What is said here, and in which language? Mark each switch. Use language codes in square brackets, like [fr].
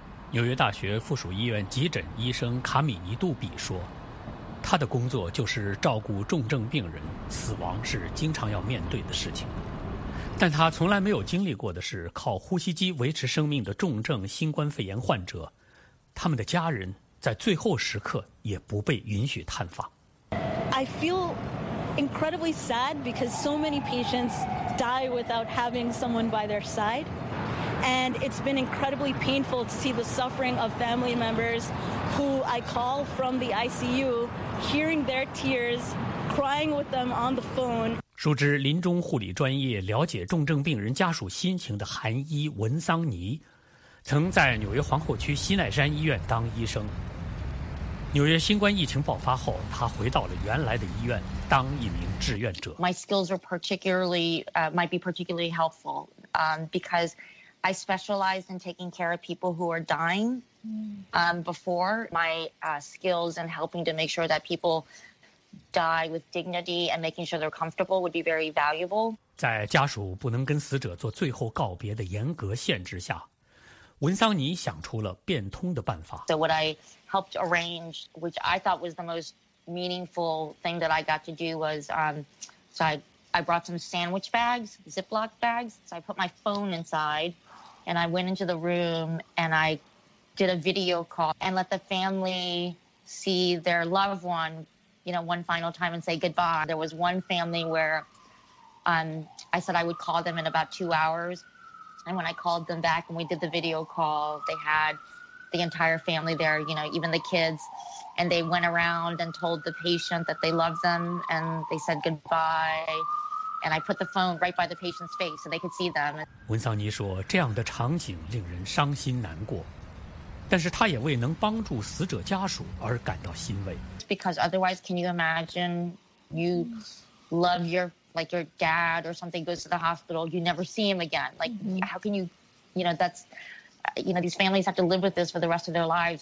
[zh] 纽约大学附属医院急诊医生卡米尼杜比说，他的工作就是照顾重症病人，死亡是经常要面对的事情。但他从来没有经历过的是靠呼吸机维持生命的重症新冠肺炎患者，他们的家人在最后时刻也不被允许探访。 [en] I feel incredibly sad because so many patients die without having someone by their side. And it's been incredibly painful to see the suffering of family members who I call from the ICU. Hearing their tears, crying with them on the phone. [zh] 熟知临终护理专业、了解重症病人家属心情的韩医文桑尼，曾在纽约皇后区西奈山医院当医生。纽约新冠疫情爆发后，他回到了原来的医院当一名志愿者。 [en] My skills are particularly might be particularly helpful, because I specialize in taking care of people who are dying. Before my skills in helping to make sure that people die with dignity and making sure they're comfortable would be very valuable. [zh] 在家属不能跟死者做最后告别的严格限制下，文桑尼想出了变通的办法。 [en] So what I helped arrange, which I thought was the most meaningful thing that I got to do was, so I brought some sandwich bags, Ziploc bags. So I put my phone inside and I went into the room and I did a video call and let the family see their loved one, you know, one final time and say goodbye. There was one family where I said I would call them in about 2 hours. And when I called them back and we did the video call, they had the entire family there, you know, even the kids. And they went around and told the patient that they loved them and they said goodbye. And I put the phone right by the patient's face so they could see them. [zh] 文桑尼说，这样的场景令人伤心难过，但是他也为能帮助死者家属而感到欣慰。 [en] Because otherwise, can you imagine you love your, like your dad or something goes to the hospital, you never see him again. Like, how can you, you know, that's, you know, these families have to live with this for the rest of their lives.